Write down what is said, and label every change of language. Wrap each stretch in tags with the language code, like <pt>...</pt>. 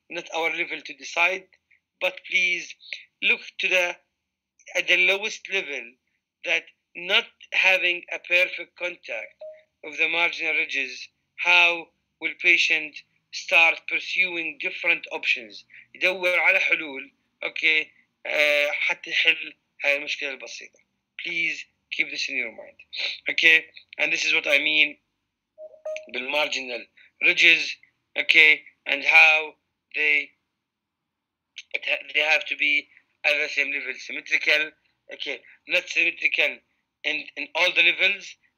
<en>Not our level to decide, but please look to the at the lowest level that not having a perfect contact of the marginal ridges, how will patient start pursuing different options?</en> <ar>يدور على حلول, okay, حتى يحل هاي المشكلة البسيطة.</ar> <en>Please keep this in your mind. Okay, and this is what I mean بالmarginal ridges, okay, and how they have to be at the same level, symmetrical, okay, not symmetrical in all the levels.</en>